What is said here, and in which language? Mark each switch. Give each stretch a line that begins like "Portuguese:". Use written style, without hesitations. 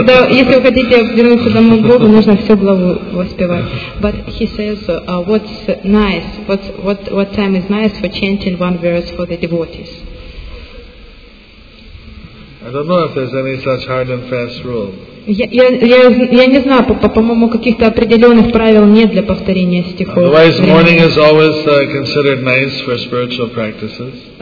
Russian: Если вы хотите вернуться домой к Богу, нужно всю главу воспевать.
English: But he says, what's nice? What time is nice for chanting one verse for the devotees? I don't know if there's any such hard and fast rule.
Russian: Я не знаю, по-моему, каких-то определенных правил нет для повторения стихов.
English: Otherwise, morning is always considered nice for spiritual practices.